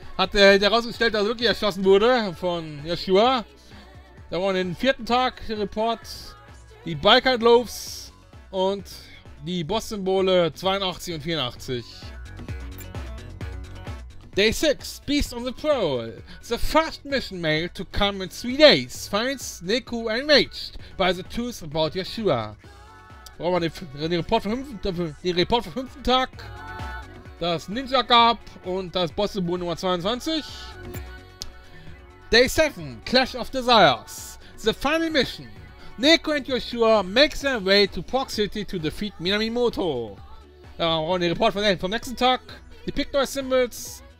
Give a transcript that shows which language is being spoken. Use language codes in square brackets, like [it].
[de] Hat der herausgestellt, dass er wirklich erschossen wurde von Yoshua. Da waren den vierten Tag der Report, die Biker Gloves und die Boss-Symbole 82 und 84. [en] Day 6, Beast on the Prowl. The first mission mail to come in 3 days finds Neko enraged by the truth about Yoshua. [de] Brauchen wir den Report vom fünften Tag, das Ninja Garb und das Boss-Symbol Nummer 22. [en] Day 7, Clash of Desires. The final mission. Neko and Yoshua make their way to Park City to defeat Minamimoto. [de] Brauchen wir den Report vom nächsten Tag, die Pictor Symbols.